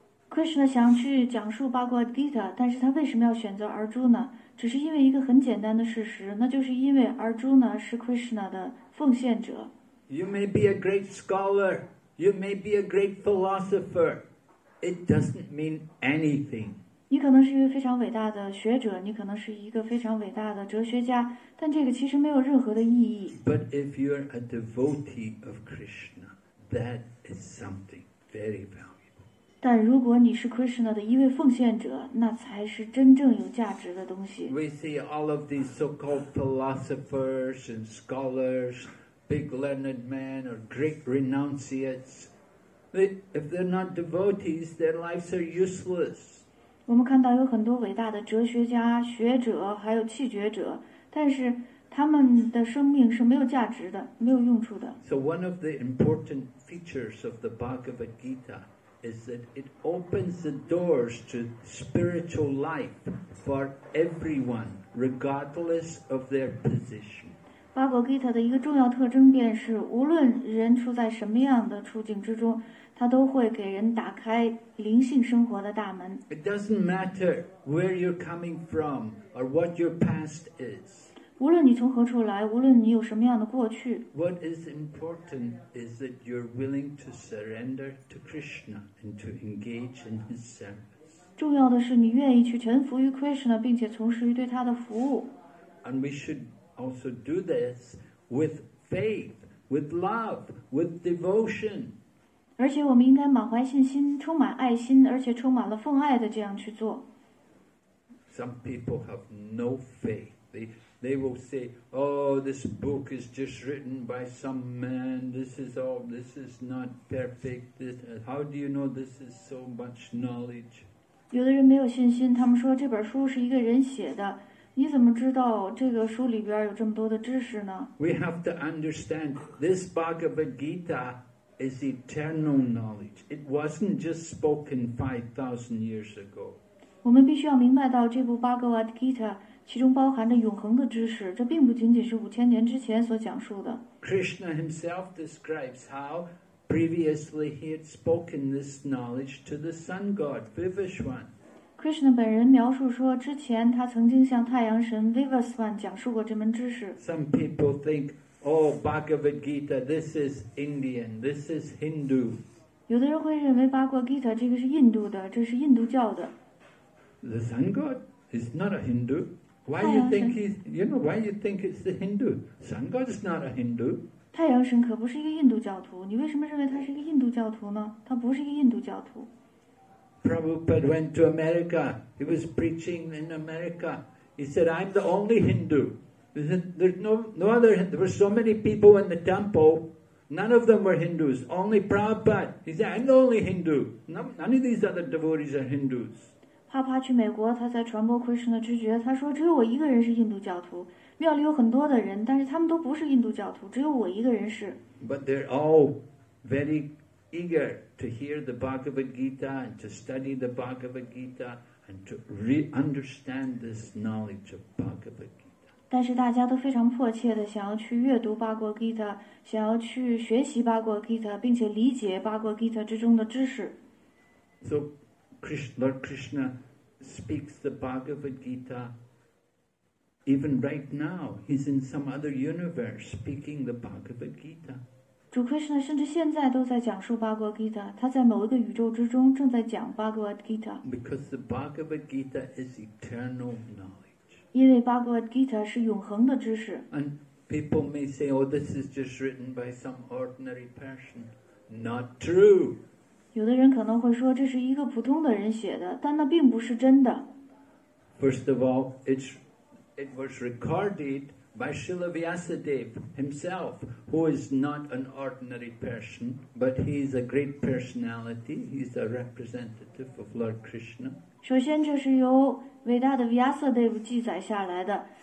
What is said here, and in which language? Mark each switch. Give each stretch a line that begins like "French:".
Chinese: Krishna 想去讲述 Bhagavad Gita, 但是他为什么要选择 Arjuna? 只是因为一个很简单的事实，那就是因为 Arjuna 是 Krishna 的奉献者。
English: You may be a great scholar, you may be a great philosopher, it doesn't mean anything.
Chinese: 你可能是一位非常伟大的学者，你可能是一个非常伟大的哲学家，但这个其实没有任何的意义。
English: But if you're a devotee of Krishna, that is something very valuable.
Chinese: 但如果你是 Krishna 的一位奉献者，那才是真正有价值的东西。
English: We see all of these so-called philosophers and scholars, big learned men or great renunciates. If they're not devotees, their lives are useless.
Chinese: 我们看到有很多伟大的哲学家、学者还有弃绝者，但是他们的生命是没有价值的，没有用处的。
English: So one of the important features of the Bhagavad Gita is that it opens the doors to spiritual life for everyone, regardless of their position.
Chinese: 巴格吉塔的一个重要特征便是，无论人处在什么样的处境之中，它都会给人打开灵性生活的大门。
English: It doesn't matter where you're coming from or what your past is.
Chinese: 无论你从何处来，无论你有什么样的过去。
English: What is important is that you're willing to surrender to Krishna and to engage in his service.
Chinese: 重要的是你愿意去臣服于 Krishna， 并且从事于对他的服务。
English: And we should also do this with faith, with love, with devotion.
Chinese: 而且我们应该满怀信心，充满爱心，而且充满了奉爱的这样去做。
English: Some people have no faith. They will say, oh, this book is just written by some man. This is not perfect. How do you know this is so much knowledge?
Chinese: 有的人没有信心，他们说这本书是一个人写的。你怎么知道这个书里边有这么多的知识呢？
English: We have to understand this Bhagavad Gita is eternal knowledge. It wasn't just spoken 5,000 years ago.
Chinese: 我们必须要明白到这部 Bhagavad Gita其中包含着永恒的知识，这并不仅仅是5000年之前所讲述的。
English: Krishna himself describes how previously he had spoken this knowledge to the sun god Vivaswan.
Chinese: Krishna 本人描述说，之前他曾经向太阳神 Vivaswan 讲述过这门知识。
English: Some people think, oh, Bhagavad Gita, this is Indian, this is Hindu.
Chinese: 有的人会认为 Bhagavad Gita 这个是印度的，这是印度教的。
English: The sun god is not a Hindu. Why you think he's, you know, why you think it's the Hindu? Sun God is not a Hindu.
Chinese: 太阳神可不是一个印度教徒，你为什么认为他是一个印度教徒呢？他不是一个印度教徒。
English: Prabhupada went to America. He was preaching in America. He said, I'm the only Hindu. There's no other, there were so many people in the temple. None of them were Hindus. Only Prabhupada. He said, I'm the only Hindu. None of these other devotees are Hindus.
Chinese: 帕帕去美国，他在传播 Krishna 知觉，他说只有我一个人是印度教徒，庙里有很多的人，但是他们都不是印度教徒，只有我一个人是。
English: But they're all very eager to hear the Bhagavad Gita and to study the Bhagavad Gita and to re-understand this knowledge of Bhagavad Gita.
Chinese: 但是大家都非常迫切的想要去阅读 Bhagavad Gita， 想要去学习 Bhagavad Gita， 并且理解 Bhagavad Gita 之中的知识。
English: So Lord Krishna speaks the Bhagavad Gita even right now. He's in some other universe speaking the Bhagavad Gita.
Chinese: 主 Krishna 甚至现在都在讲述 Bhagavad Gita， 他在某一个宇宙之中正在讲 Bhagavad Gita。
English: Because the Bhagavad Gita is eternal knowledge.
Chinese: 因为 Bhagavad Gita 是永恒的知识。
English: And people may say, oh, this is just written by some ordinary person. Not true.
Chinese: 有的人可能会说这是一个普通的人写的，但那并不是真的。
English: First of all, it was recorded by Srila Vyasadeva himself, who is not an ordinary person, but he is a great personality. He is a representative of Lord Krishna.
Chinese: 首先，这是由伟大的 Vyasadeva 记载下来的。